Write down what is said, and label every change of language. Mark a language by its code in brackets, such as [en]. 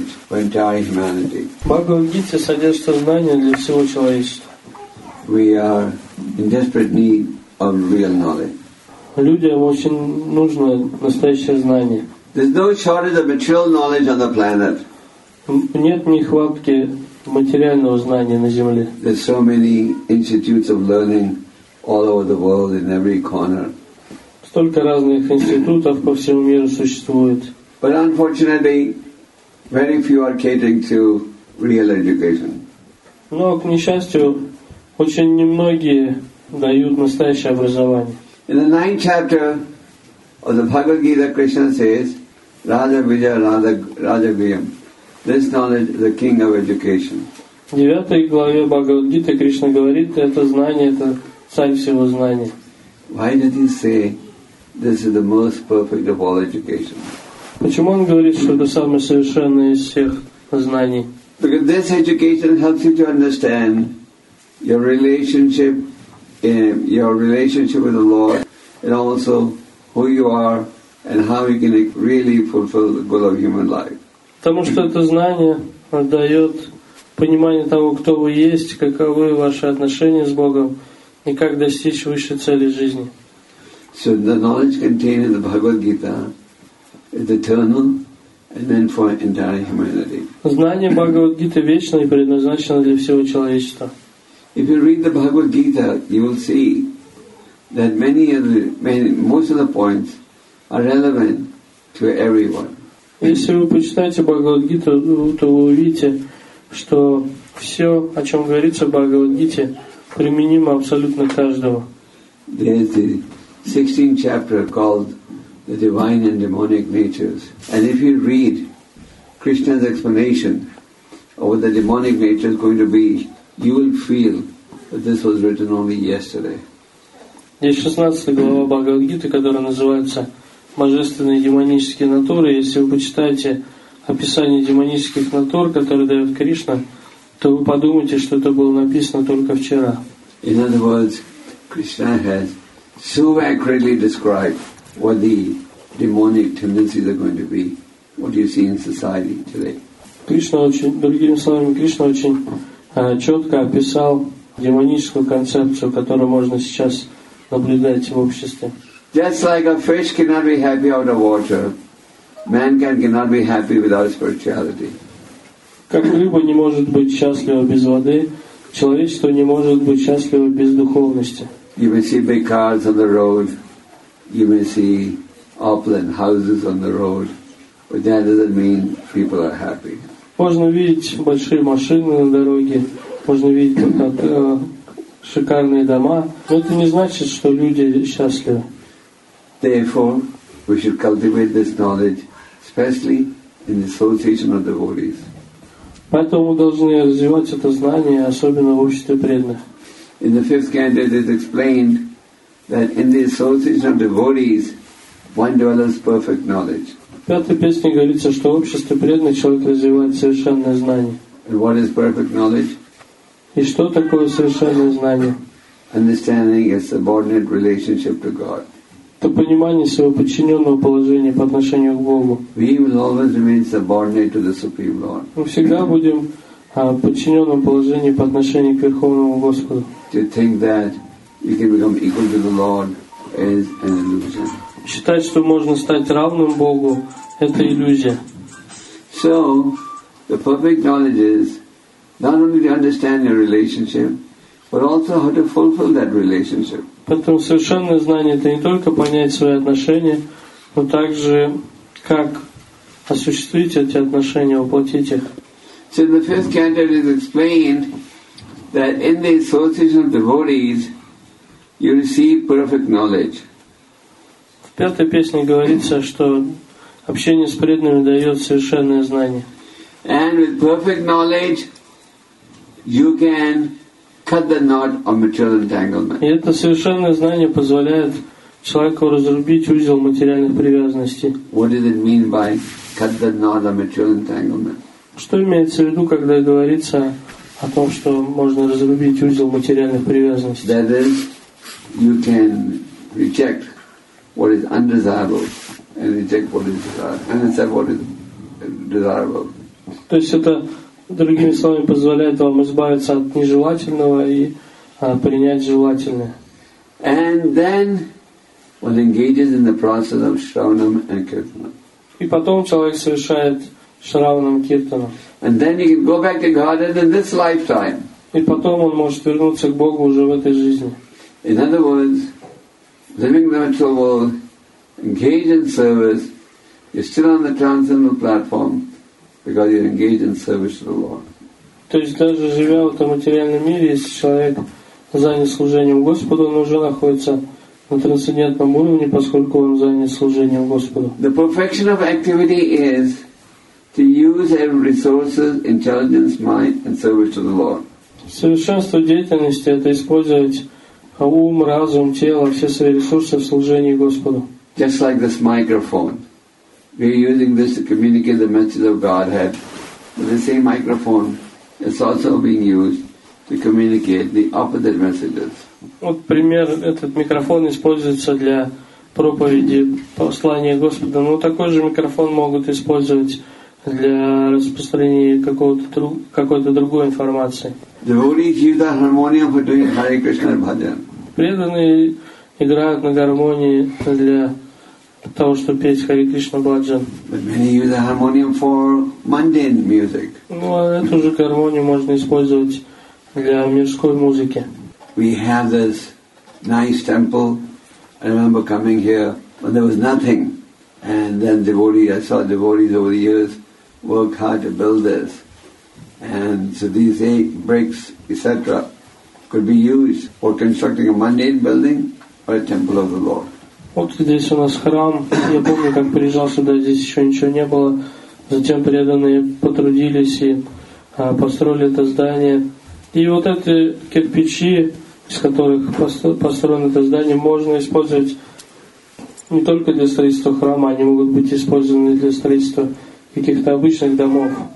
[ru] Bhagavad Gita содержит знания для всего человечества. [en] We are in desperate need of real knowledge. [ru] Людям очень нужно настоящее знание. [en] There's no shortage of material knowledge on the planet. [ru] Нет нехватки материального знания на Земле. [en] There's so many institutes of learning all over the world in every corner. [ru] Столько разных институтов по всему миру существует. [en] But unfortunately, very few are catering to real education. [ru] Но, к несчастью, очень немногие дают настоящее образование. [en] In the 9th chapter of the Bhagavad Gita, Krishna says, [sa] Raja Vijaya Raja, Raja Vijayam. [en] This knowledge is the king of education. [ru] В 9 главе Бхагавад Гиты Кришна говорит, это знание, это царь всего знания. [en] Why did he say this is the most perfect of all education? [ru] Почему он говорит, что это самое совершенное из всех знаний? [en] Because this education helps you to understand your relationship with the Lord, and also who you are and how you can really fulfill the goal of human life. [ru] Потому что это знание дает понимание того, кто вы есть, каковы ваши отношения с Богом и как достичь высшей цели жизни. [en] So the knowledge contained in the Bhagavad Gita is eternal and then for entire humanity. [ru] Знание Бхагавад Гиты вечно и предназначено для всего человечества. [en] If you read the Bhagavad Gita, you will see that most of the points are relevant to everyone. [ru] Если вы почитаете Бхагавад Гиту, то вы увидите, что все, о чем говорится в Бхагавад Гите, применимо абсолютно каждому. [en] There is the 16th chapter called the Divine and Demonic Natures. And if you read Krishna's explanation of what the demonic nature is going to be, you will feel that this was written only yesterday. [ru] Есть 16 глава Бхагавад Гиты, которая называется «Божественные демонические натуры». Если вы почитаете описание демонических натур, которые дает Кришна, то вы подумаете, что это было написано только вчера. [en] In other words, Krishna has so accurately described what the demonic tendencies are going to be, what you see in society today. [ru] Кришна очень четко описал демоническую концепцию, которую можно сейчас наблюдать в обществе. [en] Just like a fish cannot be happy out of water, mankind cannot be happy without spirituality. [ru] Как рыба не может быть счастлива без воды, человечество не может быть счастливо без духовности. [en] You may see big cars on the road, you may see opulent houses on the road, but that doesn't mean people are happy. [ru] Можно видеть большие машины на дороге, можно видеть шикарные дома, но это не значит, что люди счастливы. [en] Therefore, we should cultivate this knowledge, especially in the association of devotees. [ru] Поэтому мы должны развивать это знание, особенно в обществе преданных. [en] In the fifth canto, it is explained that in the association of devotees, one develops perfect knowledge. [ru] В пятой песне говорится, что в обществе преданных человек развивает совершенное знание. [en] And what is perfect knowledge? [ru] И что такое совершенное знание? [en] Understanding a subordinate relationship to God. [ru] То понимание своего подчиненного положения по отношению к Богу. [en] We will always remain subordinate to the Supreme Lord. [ru] Мы всегда будем подчиненным положением по отношению к Верховному Господу. [en] To think that you can become equal to the Lord is an illusion. [ru] Считать, что можно стать равным Богу, это иллюзия. [en] So, the perfect knowledge is not only to understand your relationship, but also how to fulfill that relationship. [ru] Поэтому совершенное знание — это не только понять свои отношения, но также как осуществить эти отношения, воплотить их. [en] So the fifth canto is explained that in the association of devotees you receive perfect knowledge. [ru] В пятой песне говорится, что общение с преданными дает совершенное знание. [en] And with perfect knowledge you can cut the knot of material entanglement. [ru] И это совершенное знание позволяет человеку разрубить узел материальных привязанностей. [en] What does it mean by cut the knot of material entanglement? [ru] Что имеется в виду, когда говорится о том, что можно разрубить узел материальных привязанностей? [en] That is, you can reject what is undesirable and reject what is desirable, and accept what is desirable. [ru] То есть это, другими словами, позволяет вам избавиться от нежелательного и принять желательное. [en] And then one engages in the process of shravanam and kirtanam. [ru] И потом человек совершает шравнам, киртанам. [en] And then you can go back to Godhead in this lifetime. [ru] И потом он может вернуться к Богу уже в этой жизни. [en] In other words, living the material world, engaged in service, you're still on the transcendental platform. Because you're engaged in service to the Lord. [ru] То есть даже живя в этом материальном мире, если человек занят служением Господу, он уже находится на трансцендентном уровне, поскольку он занят служением Господу. [en] The perfection of activity is to use every resource, intelligence, mind, and service to the Lord. [ru] Совершенство деятельности — это использовать ум, разум, тело, все свои ресурсы в служении Господу. [en] Just like this microphone. We are using this to communicate the message of Godhead. The same microphone is also being used to communicate the opposite messages. [ru] Вот пример, этот микрофон используется для проповеди послания Господа. Но такой же микрофон могут использовать для распространения какой-то другой информации. [en] Devotees use the harmonium for doing Hare Krishna Bhajan. [ru] Преданные играют на гармонии для того, чтобы петь Хари Кришна Бладжан. [en] But many use the harmonium for mundane music. [ru] Ну, а эту же гармонию можно использовать для мирской музыки. [en] We have this nice temple. I remember coming here when there was nothing, and then I saw devotees over the years work hard to build this, and so these eight bricks, etc., could be used for constructing a mundane building or a temple of the Lord. [ru] Вот здесь у нас храм. Я помню, как приезжал сюда, здесь еще ничего не было. Затем преданные потрудились и построили это здание. И вот эти кирпичи, из которых построено это здание, можно использовать не только для строительства храма, они могут быть использованы для строительства каких-то обычных домов.